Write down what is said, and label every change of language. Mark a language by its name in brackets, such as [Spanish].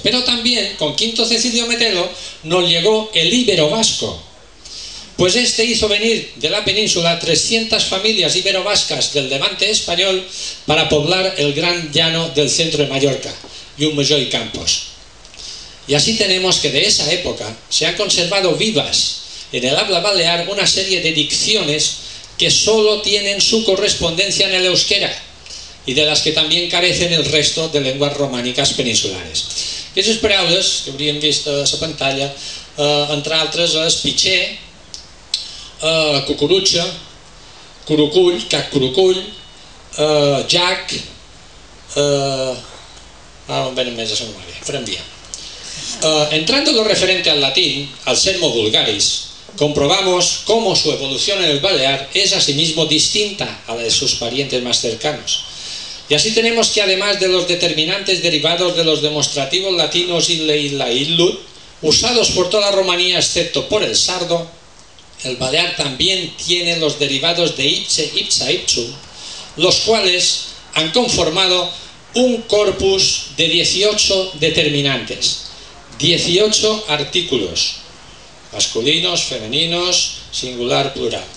[Spanish] Pero también, con Quinto Cecilio Metelo, nos llegó el íbero vasco, pues este hizo venir de la península 300 familias íbero vascas del Levante español para poblar el gran llano del centro de Mallorca, Llucmajor y Campos. Y así tenemos que de esa época se han conservado vivas en el habla balear una serie de dicciones que solo tienen su correspondencia en el euskera y de las que también carecen el resto de lenguas románicas peninsulares. [Catalan] Aquestes paraules que hauríem vist a la pantalla, entre altres, és pitxer, cucurutxa, curucull, cac curucull, jac, ah, on venen més a la memòria, frambia. [Spanish] Entrando en lo referente al latín, al sermo vulgaris, comprobamos cómo su evolución en el balear es asimismo distinta a la de sus parientes más cercanos. Y así tenemos que además de los determinantes derivados de los demostrativos latinos ille, illa, illud, usados por toda Rumanía excepto por el sardo, el balear también tiene los derivados de ipse, ipsa, ipsum, los cuales han conformado un corpus de 18 determinantes, 18 artículos, masculinos, femeninos, singular, plural.